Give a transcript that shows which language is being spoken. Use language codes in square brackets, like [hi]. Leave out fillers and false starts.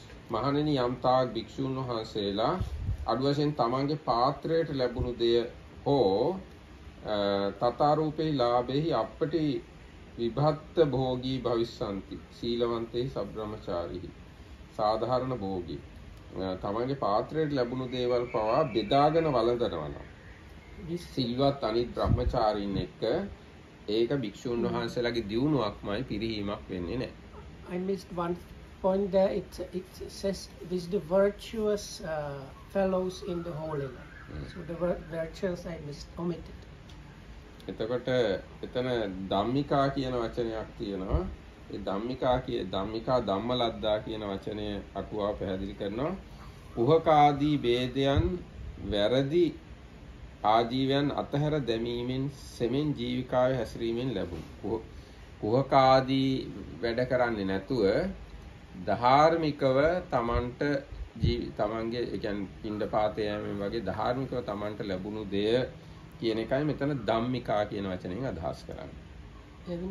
[si] මහණෙනි යම් තාක් භික්ෂූන් වහන්සේලා අඩු වශයෙන් තමන්ගේ පාත්‍රයට ලැබුණු දෙය හෝ [pi] තතාරූපෙහි ලාභෙහි අප්පටි විභත්ත භෝගී භවිස්සන්ති සීලවන්තෙහි සබ්‍රමචාරිහි සාධාරණ භෝගී. [si] තමන්ගේ පාත්‍රයට ලැබුණු දේවල් පවා බෙදාගෙන වළඳනවා. සිල්වත් අනිත් බ්‍රහ්මචාරීන් එක්ක ඒක භික්ෂුන් වහන්සේලාගේ දියුණුවක්මයි පිරිහීමක් වෙන්නේ නැහැ. [en] I missed one point there. It says with the virtuous fellows in the holy life. So the virtuous I missed, omitted. [si] එතකොට එතන ධම්මිකා කියන වචනයක් තියෙනවා. ඒ ධම්මිකා කිය ධම්මිකා ධම්මලද්දා කියන වචනය අටුවාව පැහැදිලි කරනවා. උහකාදී ભેදයන් වැරදි ආජීවයන් අතහැර දැමීමෙන් සෙමෙන් ජීවිකාවේ හැසිරීමෙන් ලැබුණ කුහකාදී වැඩ කරන්නේ නැතුව ධාර්මිකව තමන්ට තමන්ගේ කියන්නේ පින්ඩපාතය වගේ ධාර්මිකව තමන්ට ලැබුණු දෙය කියන එකයි මෙතන ධම්මිකා කියන වචනයෙන් අදහස් කරන්නේ.